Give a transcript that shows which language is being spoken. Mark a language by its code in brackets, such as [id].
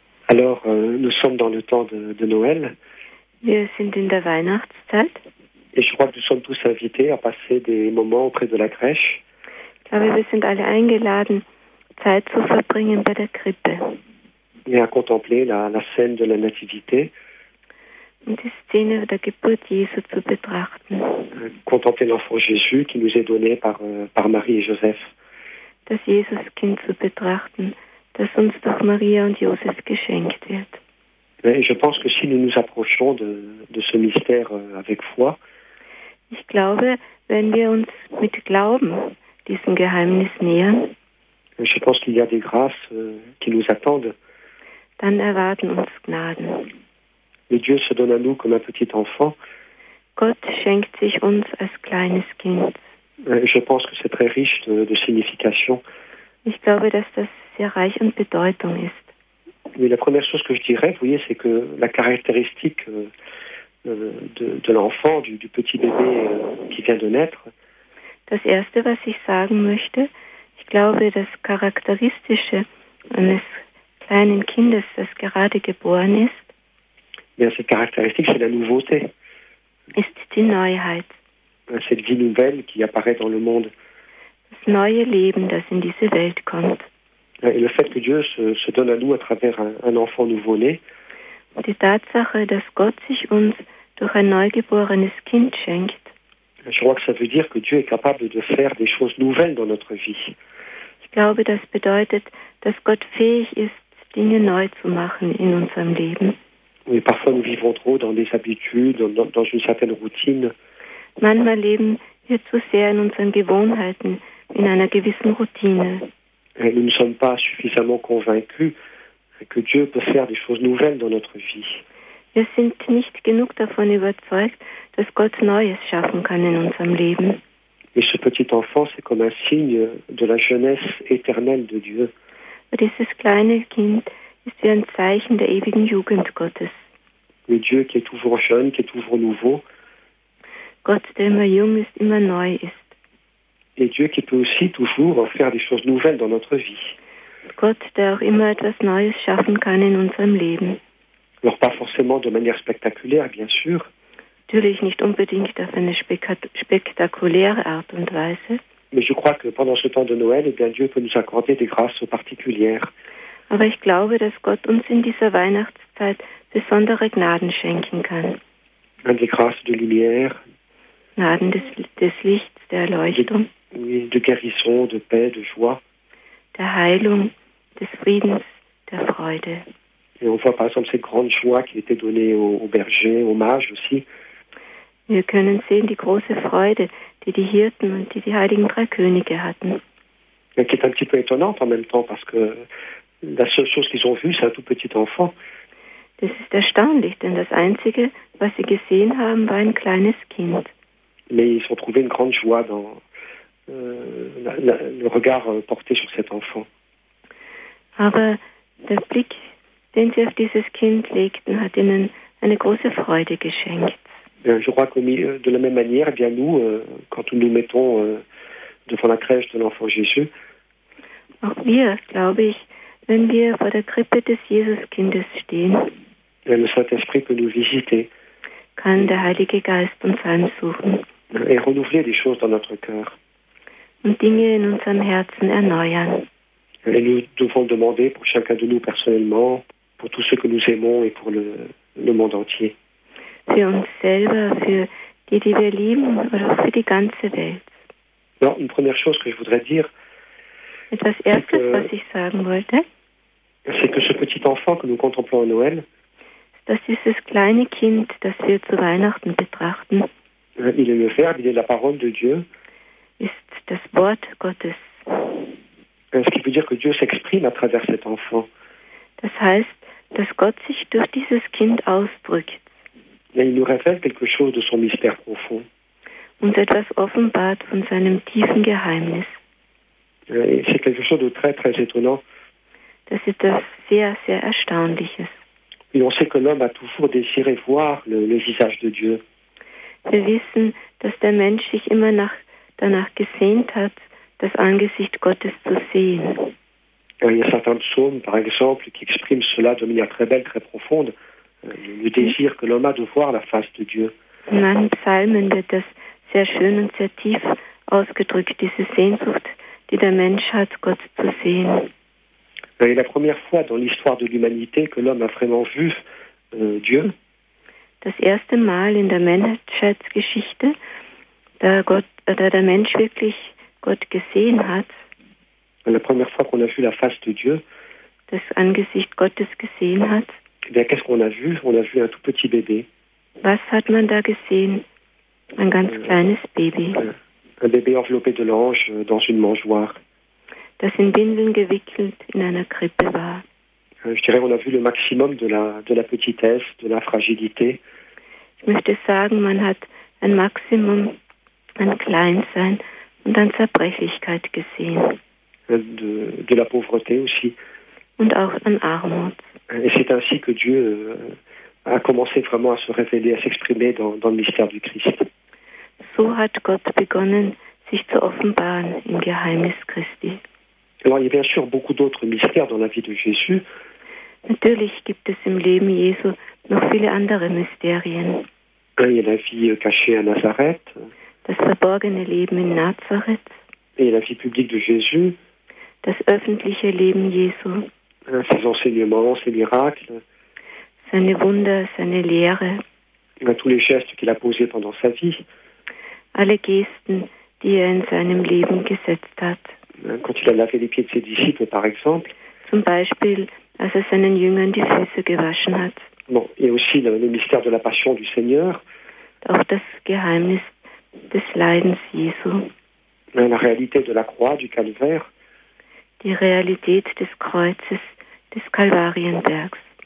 [fr] Alors, nous sommes dans le temps de Noël. [de] Wir sind in der Weihnachtszeit. [fr] Et je crois que nous sommes tous invités à passer des moments auprès de la crèche. [de] Ich glaube, wir sind alle eingeladen, Zeit zu verbringen bei der Krippe. [fr] Et à contempler la scène de la Nativité. [de] Und die Szene der Geburt Jesu zu betrachten. [fr] Contempler l'enfant Jésus qui nous est donné par Marie et Joseph. [de] Das Jesuskind zu betrachten, das uns durch Maria und Josef geschenkt wird. [fr] Et je pense que si nous nous approchons de ce mystère avec foi. [de] Ich glaube, wenn wir uns mit Glauben diesem Geheimnis nähern. [fr] Je pense qu'il y a des grâces qui nous attendent. [de] Dann erwarten uns Gnaden. [fr] Mais Dieu se donne à nous comme un petit enfant. [de] Gott schenkt sich uns als kleines Kind. [fr] Je pense que c'est très riche de signification. [de] Ich glaube, dass das sehr reich an Bedeutung ist. [fr] Mais la première chose que je dirais, vous voyez, c'est que la caractéristique de l'enfant, du petit bébé qui vient de naître. [de] Das erste, was ich sagen möchte, ich glaube, das Charakteristische eines kleinen Kindes, das gerade geboren ist, [fr] bien, cette caractéristique, c'est la nouveauté. [de] Ist die Neuheit. [fr] Cette vie nouvelle qui apparaît dans le monde. [de] Das neue Leben, das in diese Welt kommt. [fr] Et le fait que Dieu se donne à nous à travers un enfant nouveau-né. [de] Die Tatsache, dass Gott sich uns durch ein neugeborenes Kind schenkt. [fr] Je crois que ça veut dire que Dieu est capable de faire des choses nouvelles dans notre vie. [de] Ich glaube, das bedeutet, dass Gott fähig ist, Dinge neu zu machen in unserem Leben. [fr] Mais parfois nous vivons trop dans des habitudes, dans une certaine routine. [de] Manchmal leben wir zu sehr in unseren Gewohnheiten, in einer gewissen Routine. [fr] Et nous ne sommes pas suffisamment convaincus que Dieu peut faire des choses nouvelles dans notre vie. [de] Wir sind nicht genug davon überzeugt, dass Gott Neues schaffen kann in unserem Leben. [fr] Et ce petit enfant, c'est comme un signe de la jeunesse éternelle de Dieu. [de] Und dieses kleine Kind ist wie ein Zeichen der ewigen Jugend Gottes. [fr] Mais Dieu qui est toujours jeune, qui est toujours nouveau. [de] Gott, der immer jung ist, immer neu ist. [fr] Et Dieu qui peut aussi toujours faire des choses nouvelles dans notre vie. [de] Gott, der auch immer etwas Neues schaffen kann in unserem Leben. [fr] Alors pas forcément de manière spectaculaire, bien sûr. [de] Natürlich nicht unbedingt auf eine spektakuläre Art und Weise. [fr] Mais je crois que pendant ce temps de Noël, eh bien Dieu peut nous accorder des grâces particulières. [de] Aber ich glaube, dass Gott uns in dieser Weihnachtszeit besondere Gnaden schenken kann. [fr] Die Grâce de lumière. [de] Gnaden des Lichts, der Erleuchtung. [fr] De guérison, de paix, de joie. [de] Der Heilung, des Friedens, der Freude. [fr] Et on voit par exemple cette grande joie qui était donnée aux bergers, aux mages aussi. [de] Wir können sehen die große Freude, die Hirten und die heiligen drei Könige hatten. [fr] Et qui est un petit peu étonnante en même temps parce que la seule chose qu'ils ont vue, c'est un tout petit enfant. [de] Das ist erstaunlich, denn das Einzige, was sie gesehen haben, war ein kleines Kind. [fr] Mais ils ont trouvé une grande joie dans le regard porté sur cet enfant. [de] Aber der Blick, den sie auf dieses Kind legten, hat ihnen eine große Freude geschenkt. [fr] Je crois que de la même manière, eh bien nous, quand nous nous mettons devant la crèche de l'enfant Jésus, [de] auch wir, glaube ich, wenn wir vor der Krippe des Jesuskindes stehen, [fr] le Saint-Esprit peut nous visiter, [de] kann der Heilige Geist uns heimsuchen [fr] et renouveler des choses dans notre cœur. [de] und Dinge in unserem Herzen erneuern. [fr] Et nous devons demander pour chacun de nous personnellement, pour tous ceux que nous aimons et pour le monde entier. [de] Für uns selber, für die, die wir lieben, oder für die ganze Welt. [fr] Non, une première chose que je voudrais dire. [de] Etwas Erstes, que, was ich sagen wollte. [fr] C'est que ce petit enfant que nous contemplons à Noël. [de] Das ist das kleine Kind, das wir zu Weihnachten betrachten. [fr] Il est le Verbe, il est la parole de Dieu. [de] Ist das Wort Gottes. [fr] Ce qui veut dire que Dieu s'exprime à travers cet enfant. [de] Das heißt, dass Gott sich durch dieses Kind ausdrückt. [fr] Mais il nous révèle quelque chose de son mystère profond. [de] Und etwas offenbart von seinem tiefen Geheimnis. [fr] Et c'est quelque chose de très, très étonnant. [de] Das ist etwas sehr, sehr Erstaunliches. [fr] Et on sait que l'homme a toujours désiré voir le visage de Dieu. [de] Wir wissen, dass der Mensch sich immer danach gesehnt hat, das Angesicht Gottes zu sehen. [fr] Il y a certains psaumes, par exemple, qui expriment cela de manière très belle, très profonde, le désir que l'homme a de voir la face de Dieu. [de] In manchen Psalmen wird das sehr schön und sehr tief ausgedrückt, diese Sehnsucht, die der Mensch hat, Gott zu sehen. [fr] Et la première fois dans l'histoire de l'humanité que l'homme a vraiment vu Dieu. [de] Das erste Mal in der Menschheitsgeschichte, da der Mensch wirklich Gott gesehen hat. [fr] La première fois qu'on a vu la face de Dieu. [de] Das Angesicht Gottes gesehen hat. [fr] Eh bien, qu'est-ce qu'on a vu? On a vu un tout petit bébé. [de] Was hat man da gesehen? Ein ganz kleines Baby. [fr] Un bébé enveloppé de l'ange dans une mangeoire. [de] Das in Windeln gewickelt in einer Krippe war. [fr] Je dirais, on a vu le maximum de la petitesse, de la fragilité. [de] Ich möchte sagen, man hat ein Maximum an Kleinsein und an Zerbrechlichkeit gesehen. [fr] De la pauvreté aussi. [de] Und auch an Armut. [fr] Et c'est ainsi que Dieu a commencé vraiment à se révéler, à s'exprimer dans le mystère du Christ. [de] So hat Gott begonnen, sich zu offenbaren im Geheimnis Christi. [fr] Alors, il y a bien sûr beaucoup d'autres mystères dans la vie de Jésus. [de] Natürlich gibt es im Leben Jesu noch viele andere Mysterien. [fr] Il y a la vie cachée à Nazareth. [de] Das verborgene Leben in Nazareth. [fr] Et la vie publique de Jésus. [de] Das öffentliche Leben Jesu. [fr] Ses enseignements, ses miracles. [de] Seine Wunder, seine Lehre. [fr] Et tous les gestes qu'il a posés pendant sa vie. [de] Alle Gesten, die in seinem Leben gesetzt hat. [fr] Quand il a lavé les pieds de ses disciples, par exemple. [de] Zum Beispiel, als seinen Jüngern die Füße gewaschen hat. [fr] Bon, et aussi le mystère de la passion du Seigneur. [de] Auch das Geheimnis des Leidens Jesu. [fr] La réalité de la croix, du calvaire. [de] Die Realität des Kreuzes, des Kalvarienbergs.